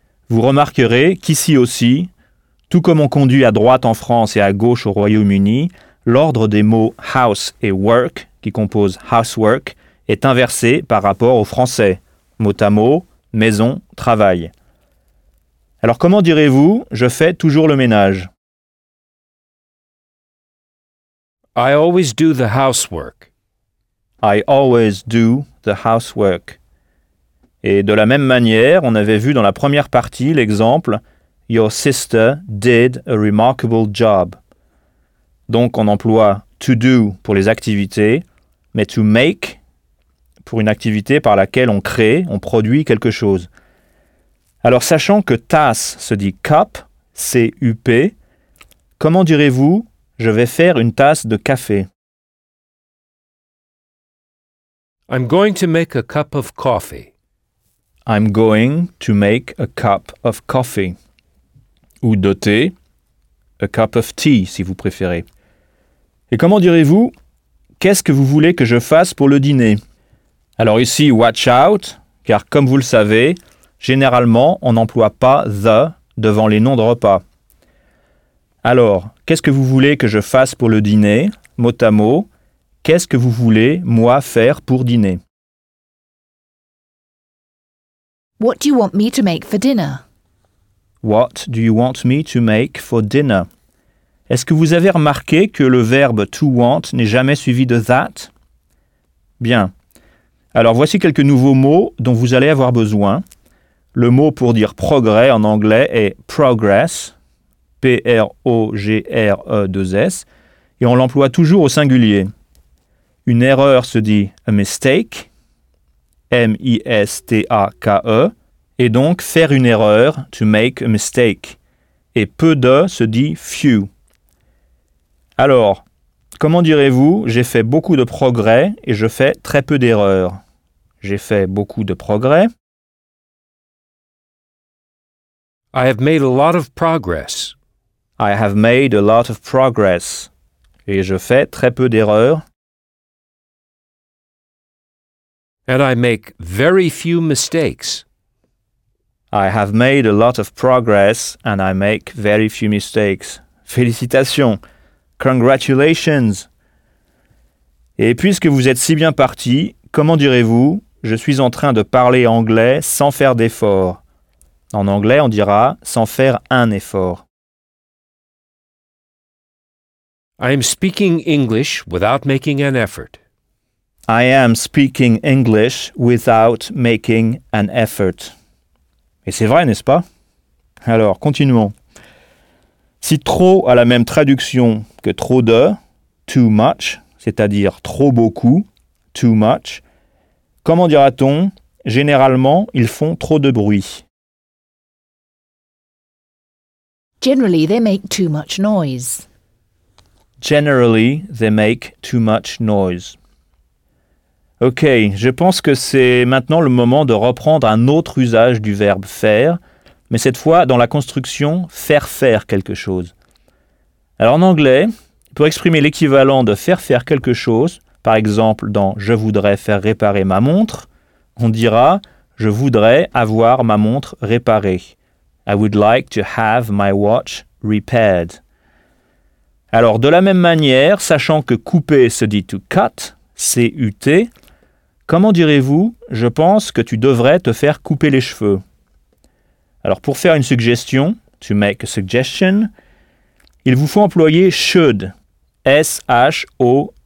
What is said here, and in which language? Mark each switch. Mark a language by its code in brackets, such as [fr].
[fr] Vous remarquerez qu'ici aussi, tout comme on conduit à droite en France et à gauche au Royaume-Uni, l'ordre des mots « house » et « work » qui composent « housework » est inversé par rapport au français. Mot à mot, maison, travail. Alors comment direz-vous « je fais toujours le ménage » ? [en] I always do the housework. I always do the housework. [fr] Et de la même manière, on avait vu dans la première partie l'exemple « [en] your sister did a remarkable job ». [fr] Donc, on emploie « to do » pour les activités, mais « to make » pour une activité par laquelle on crée, on produit quelque chose. Alors, sachant que « tasse » se dit « cup », C-U-P, comment direz-vous « je vais faire une tasse de café » ? [en] I'm going to make a cup of coffee. I'm going to make a cup of coffee. [fr] Ou de thé, [en] a cup of tea, [fr] si vous préférez. Et comment direz-vous « qu'est-ce que vous voulez que je fasse pour le dîner ?» Alors ici, « [en] watch out [fr] », car comme vous le savez, généralement, on n'emploie pas « the » devant les noms de repas. Alors, « qu'est-ce que vous voulez que je fasse pour le dîner ?» mot à mot, « qu'est-ce que vous voulez, moi, faire pour dîner ?» [en] What do you want me to make for dinner ? What do you want me to make for dinner ? [fr] Est-ce que vous avez remarqué que le verbe « to want » n'est jamais suivi de « that » ? Bien. Alors voici quelques nouveaux mots dont vous allez avoir besoin. Le mot pour dire « progrès » en anglais est « progress », P-R-O-G-R-E-2-S, et on l'emploie toujours au singulier. Une erreur se dit « a mistake », M-I-S-T-A-K-E, et donc « faire une erreur »,« [en] to make a mistake [fr] », et « peu de » se dit « few ». Alors, comment direz-vous « j'ai fait beaucoup de progrès et je fais très peu d'erreurs » ? J'ai fait beaucoup de progrès. [en] I have made a lot of progress. I have made a lot of progress. [fr] Et je fais très peu d'erreurs. [en] And I make very few mistakes. I have made a lot of progress and I make very few mistakes. [fr] Félicitations. [en] Congratulations! [fr] Et puisque vous êtes si bien parti, comment direz-vous « je suis en train de parler anglais sans faire d'effort » ? En anglais, on dira « sans faire un effort ». [en] I am speaking English without making an effort. I am speaking English without making an effort. [fr] Et c'est vrai, n'est-ce pas ? Alors, continuons. Si « trop » a la même traduction que « trop de »,« [en] too much [fr] », c'est-à-dire « trop beaucoup »,« too much », comment dira-t-on « généralement, ils font trop de bruit »? [en] Generally, they make too much noise. Generally, they make too much noise. [fr] Ok, je pense que c'est maintenant le moment de reprendre un autre usage du verbe « faire », mais cette fois dans la construction « faire quelque chose ». Alors en anglais, pour exprimer l'équivalent de « faire quelque chose », Par exemple, dans « Je voudrais faire réparer ma montre », on dira « Je voudrais avoir ma montre réparée ». [en] I would like to have my watch repaired. [fr] Alors, de la même manière, sachant que couper se dit to cut, C-U-T, comment direz-vous « Je pense que tu devrais te faire couper les cheveux ». Alors, pour faire une suggestion, [en] to make a suggestion, [fr] il vous faut employer « should », S-H-O-U-L-D.